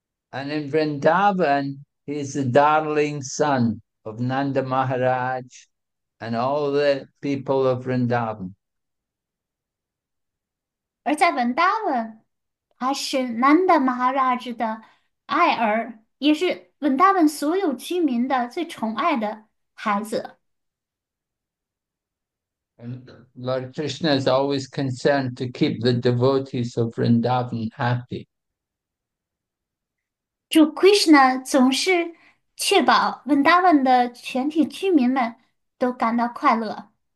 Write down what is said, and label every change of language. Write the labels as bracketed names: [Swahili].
[English] And in Vrindavan, he is the darling son of Nanda Maharaj and all the people of Vrindavan. [Chinese] 而在文达文，他是南达玛哈拉兹的爱儿，也是文达文所有居民的最宠爱的孩子。 [English] And Lord Krishna is always concerned to keep the devotees of Vrindavan happy. [Chinese] 主 Krishna 总是确保 Vrindavan 的全体居民们都感到快乐。